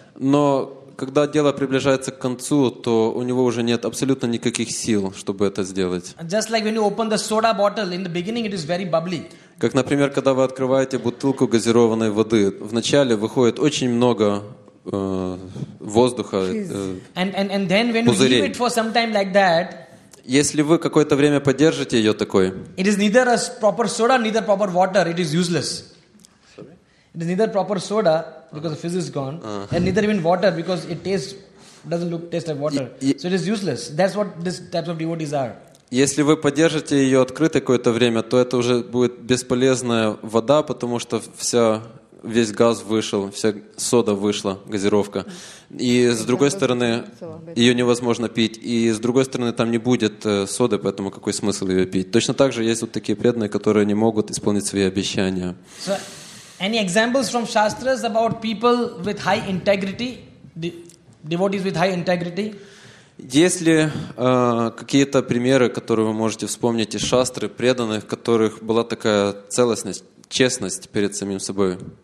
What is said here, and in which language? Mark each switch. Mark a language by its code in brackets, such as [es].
[ru] Но когда дело приближается к концу, то у него уже нет абсолютно никаких сил, чтобы это сделать. [en] Just like when you open the soda bottle, in the beginning it is very bubbly. [ru] Как, например, когда вы открываете бутылку газированной воды, в начале выходит очень много воздуха. [en] And then when you leave it for some time like that, [ru] если вы какое-то время подержите ее такой, [en] it is neither a proper soda, neither proper water. It is useless. It is neither proper soda because the fizz is gone, and neither even water because it doesn't taste like water. So it is useless. That's what these types of devotees are. [ru] Если вы подержите ее открытой какое-то время, то это уже будет бесполезная вода, потому что весь газ вышел, вся сода вышла, газировка. И с другой стороны, ее невозможно пить. И с другой стороны, там не будет соды, поэтому какой смысл ее пить? Точно так же есть вот такие преданные, которые не могут исполнить свои обещания. [en] Any examples from shastras about people with high integrity, devotees with high integrity? [ru] Есть ли какие-то примеры, которые вы можете вспомнить из шастры, преданных, в которых была такая целостность, честность перед самим собой?